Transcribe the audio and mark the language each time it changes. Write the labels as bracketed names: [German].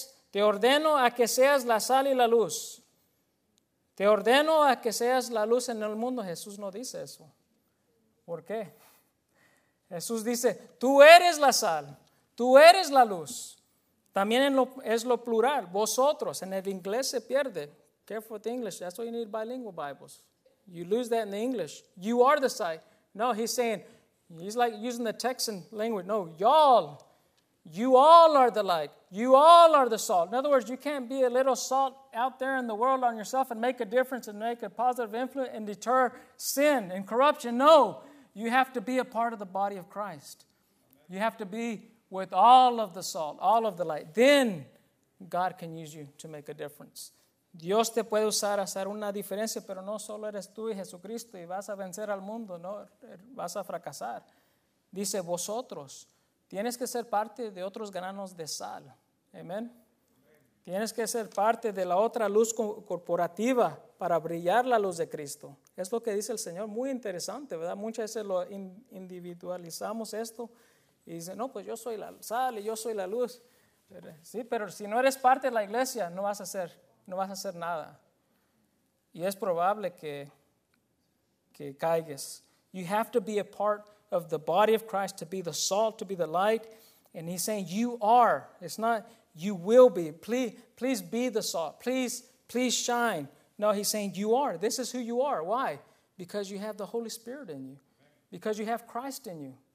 [Spanish] Te ordeno a que seas la sal y la luz. Te ordeno a que seas la luz en el mundo. Jesús no dice eso. ¿Por qué? Jesús dice, tú eres la sal, tú eres la luz. También es lo plural, vosotros. En el inglés se pierde. [English] Careful with the English, that's why you need bilingual Bibles. You lose that in the English. You are the sight. No, he's like using the Texan language. No, y'all. You all are the light. You all are the salt. In other words, you can't be a little salt out there in the world on yourself and make a difference and make a positive influence and deter sin and corruption. No, you have to be a part of the body of Christ. You have to be with all of the salt, all of the light. Then God can use you to make a difference. [Spanish] Dios te puede usar a hacer una diferencia, pero no solo eres tú y Jesucristo y vas a vencer al mundo, no, vas a fracasar. Dice, vosotros, tienes que ser parte de otros granos de sal. Amén. Tienes que ser parte de la otra luz corporativa para brillar la luz de Cristo. Es lo que dice el Señor, muy interesante, ¿verdad? Muchas veces lo individualizamos esto y dice, no, pues yo soy la sal y yo soy la luz. Sí, pero si no eres parte de la iglesia, no vas a hacer nada. Y es probable que caigas. [English] You have to be a part of the body of Christ to be the salt, to be the light. And he's saying, you are. It's not, you will be. Please be the salt. Please shine. No, he's saying, you are. This is who you are. Why? Because you have the Holy Spirit in you. Because you have Christ in you.